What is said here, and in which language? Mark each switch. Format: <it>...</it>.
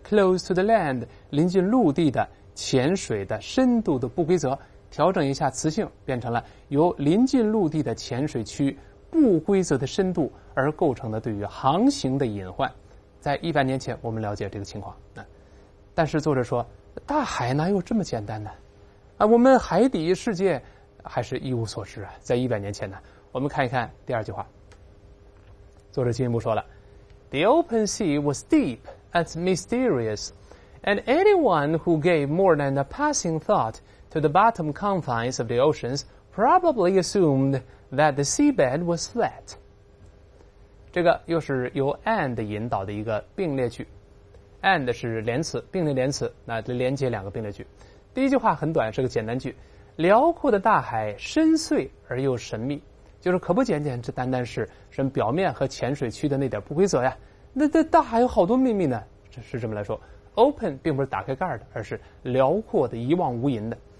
<en>close to the land,</en> <zh>临近陆地的潜水的深度的不规则，调整一下词性变成了由临近陆地的潜水区不规则的深度而构成的对于航行的隐患。在100年前我们了解这个情况，但是作者说大海哪有这么简单呢？我们海底世界还是一无所知啊，在100年前呢，我们看一看第二句话，作者进一步说了</zh> <en>The open sea was deep and mysterious, and anyone who gave more than a passing thought to the bottom confines of the oceans probably assumed that the seabed was flat.</en> <zh>这个又是由 and 引导的一个并列句， and 是连词，并列连词，那连接两个并列句，第一句话很短，是个简单句，辽阔的大海深邃而又神秘，就是可不简简这单单是什么表面和潜水区的那点不规则呀，那大海有好多秘密呢，是这么来说。 open 并不是打开盖的，而是辽阔的一望无垠的，</zh>